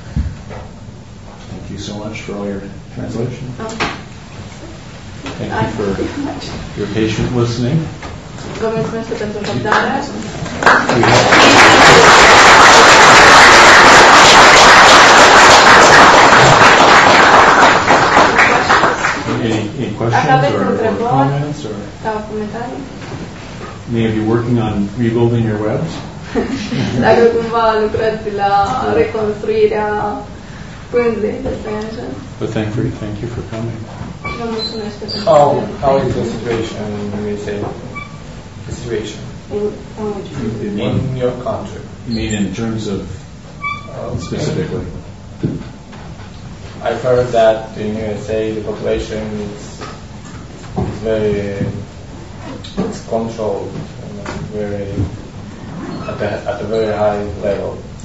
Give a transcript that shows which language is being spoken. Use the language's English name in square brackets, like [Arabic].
[English] Thank you so much for all your translation. Thank you for your patient listening. [Romanian] Vă mulțumesc pentru răbdare. [English] Any questions or comments or [Romanian] comentarii? [English] May you be working on rebuilding your webs? [Romanian] Dacă cumva lucrați la reconstruirea pânzei de sânge. [English] But thank you for coming. How is the situation when you say the situation? In your country. You mean in terms of specifically? I've heard that in USA the population is very controlled, and very at a very high level.